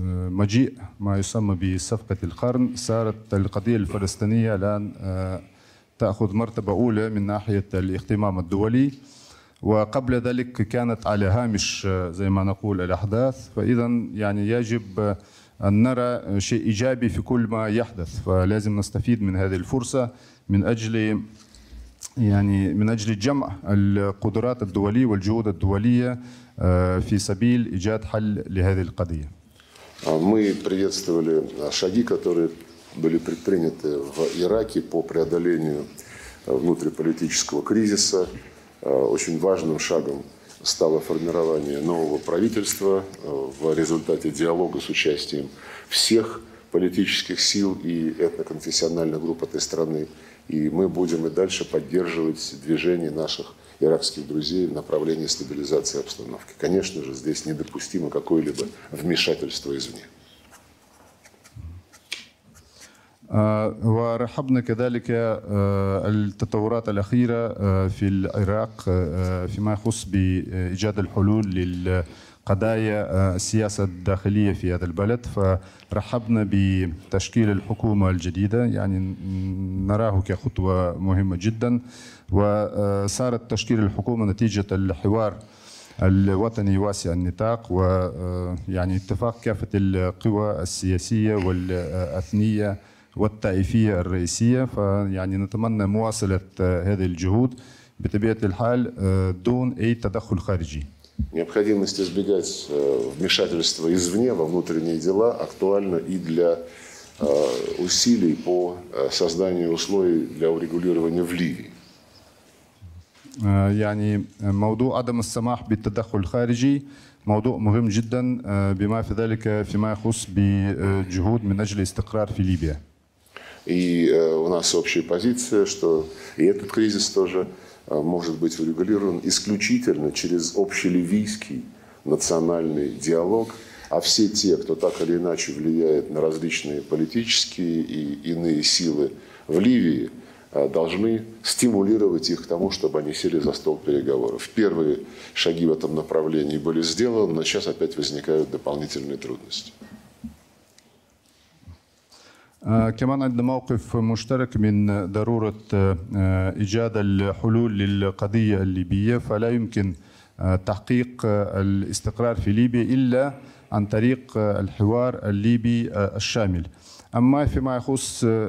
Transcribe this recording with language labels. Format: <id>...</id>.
<ar>مجيء ما يسمى بصفقة القرن صارت القضية الفلسطينية الآن تأخذ مرتبة أولى من ناحية الاهتمام الدولي وقبل ذلك كانت على هامش زي ما نقول الأحداث فإذا يعني يجب أن نرى شيء إيجابي في كل ما يحدث فلازم نستفيد من هذه الفرصة من أجل يعني من أجل جمع القدرات الدولية والجهود الدولية في سبيل إيجاد حل لهذه القضية.</ar> <ru>Мы приветствовали шаги, которые были предприняты в Ираке по преодолению внутриполитического кризиса. Очень важным шагом стало формирование нового правительства в результате диалога с участием всех политических сил и этноконфессиональных групп этой страны. И мы будем и дальше поддерживать движение наших иракских друзей в направлении стабилизации обстановки. Конечно же, здесь недопустимо какое-либо вмешательство извне.</ru> <ar>ورحبنا كذلك التطورات الأخيرة في العراق فيما يخص بإيجاد الحلول للقضايا السياسة الداخلية في هذا البلد فرحبنا بتشكيل الحكومة الجديدة يعني نراه كخطوة مهمة جدا وصارت تشكيل الحكومة نتيجة الحوار الوطني واسع النطاق ويعني اتفاق كافة القوى السياسية والأثنية والطائفية الرئيسية فيعني نتمنى مواصلة هذه الجهود بطبيعة الحال دون أي تدخل خارجي.</ar> <ru>Необходимость избегать вмешательства извне во внутренние дела актуальна и для усилий по созданию условий для урегулирования в Ливии.</ru> <ar>يعني موضوع عدم السماح بالتدخل الخارجي موضوع مهم جدا بما في ذلك فيما يخص بجهود من أجل الاستقرار في ليبيا.</ar> <ru>И у нас общая позиция, что и этот кризис тоже может быть урегулирован исключительно через общеливийский национальный диалог, а все те, кто так или иначе влияет на различные политические и иные силы в Ливии, должны стимулировать их к тому, чтобы они сели за стол переговоров. Первые шаги в этом направлении были сделаны, но сейчас опять возникают дополнительные трудности.</ru> <ar>كمان عندنا موقف مشترك من ضرورة إيجاد الحلول للقضية الليبية فلا يمكن تحقيق الاستقرار في ليبيا إلا عن طريق الحوار الليبي الشامل أما فيما يخص</ar>